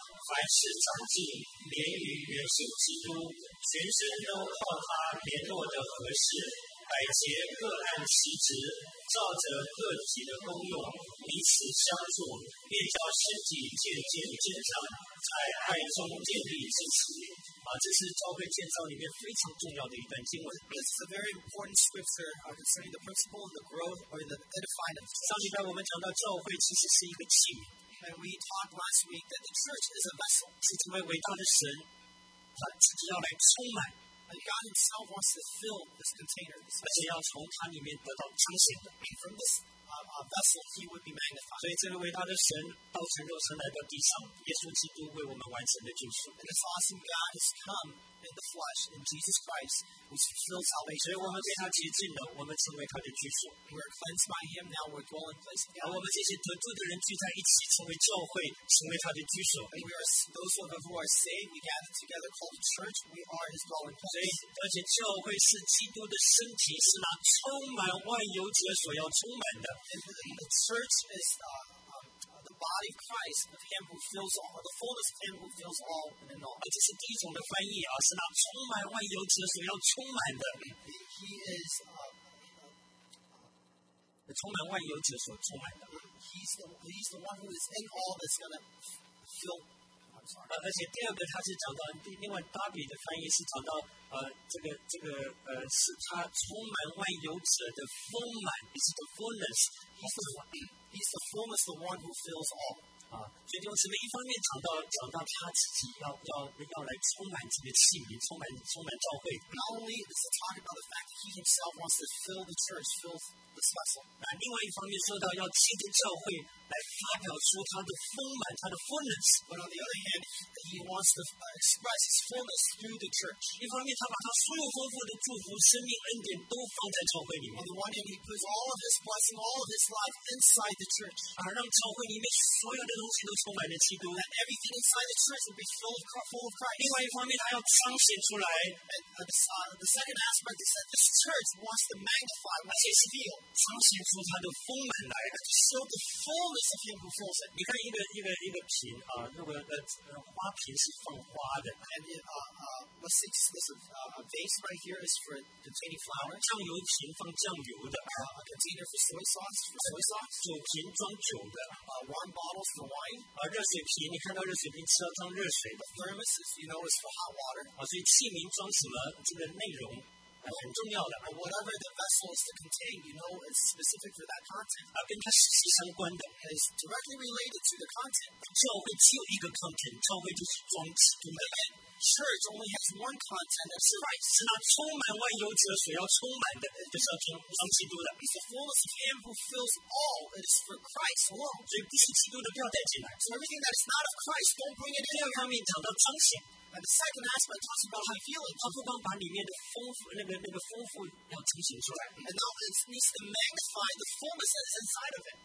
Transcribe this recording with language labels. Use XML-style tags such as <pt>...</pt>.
<zh>凡事长进，连于元首基督，全身都靠他联络的合适，百节各按其职，照着个体的功用彼此相助，便叫身体渐渐健壮，在爱中建立支持。啊，这是教会建造里面非常重要的一段经文。</zh> <en>This is a very important scripture concerning the principle of the growth or the edifying of the church.</en> <zh>上礼拜我们讲到教会其实是一个器皿。</zh> <en>And we talked last week that the church is a vessel.</en> <zh>是这位伟大的神，他自己要来充满。</zh> <en>And God Himself wants to fill this container.</en> <zh>而且要从它里面得到彰显。</zh> <en>And from this vessel, He would be magnified.</en> <zh>所以这位伟大的神道成肉身来到地上，耶稣基督为我们完成的救赎。</zh> <en>And this awesome God has come in the flesh, in Jesus Christ, who fulfills salvation.</en> <zh>所以我们被他洁净了，我们成为他的居所。</zh> <en>We are cleansed by Him. Now we're dwelling place.</en> <zh>而我们这些得救的人聚在一起，成为教会，成为他的居所。</zh> <en>And we are those of us who are saved. We gather together called the church. We are His dwelling place.</en> <zh>所以，而且教会是基督的身体，是那充满万有者所要充满的。</zh> <en>The church is the body of Christ, of Him who fills all, or the fullness of Him who fills all in all.</en> <zh>这是第一种的翻译啊，是那充满万有者所要充满的。</zh> <en>He is</en> <zh>充满万有者所充满的。</zh> <en>He's the one who is in all that's gonna fill.</en> <zh>而且第二个，他是讲到另外大比的翻译是讲到是他充满万有者的丰满 ，</zh> <en>is the fullness。 He's the fullness, the one who fills all.</en> <zh>啊，所以弟兄姊妹，一方面讲到他自己要来充满这个器皿，充满教会。</zh> <en>Not only is it talking about the fact that he himself wants to fill the church, fill the vessel.</en> <zh>啊，另外一方面说到要借着教会来发表出他的丰满，他的 fullness.</zh> <en>But on the other hand, he wants to express his fullness through the church.</en> <zh>一方面，他把他所有丰富的祝福、生命恩典都放在教会里面。</zh> <en>On the one hand, he puts all of his blessing, all of his life inside the church.</en> <zh>啊，让教会里面所有的东西都充满了基督。</zh> <en>And everything inside the church will be full of Christ.</en> <zh>另外一方面，他要彰显出来。</zh> <en>And the second aspect is that this church wants to magnify what is real.</en> <zh>彰显出他的丰满来。</zh> <en>To show the fullness of him who fills it.</en> <zh>你看一个瓶啊，如果花瓶是放花的</zh> <en>，and a vase right here is for containing flowers.</en> <zh>酱油瓶放酱油的</zh> <en>，a container for soy sauce. For soy sauce.</en> <zh>酒瓶装酒的</zh> <en>，wine bottles for wine.</en> <zh>热水瓶，你看到热水瓶是要装热水的</zh> <en>，thermos is you know is for hot water.</en> <zh>所以器皿装什么这个内容。很重要的</zh> <en>whatever the vessel is to contain, you know, is specific for that content.</en> <zh>跟它息息相关的</zh> <en>is directly related to the content.</en> <zh>教会只有一个 content, 教会就是装基督的。</zh> <en>Again, church only has one content, that's Christ.</en> <zh>是那充满万有者所要充满的，就是要装基督的。</zh> <en>It's the fullness of Him who fills all, it is for Christ alone.</en> <zh>所以不是基督的不要带进来。</zh> <en>So everything that is not of Christ, don't bring it in.</en> <zh>第二方面讲到彰显。</zh> <en>And the second aspect talks about how feeling.</en> <zh>他不光把里面的丰富那个丰富要彰显出来。</zh> <en>And now it needs to magnify the fullness that is inside of it.</en>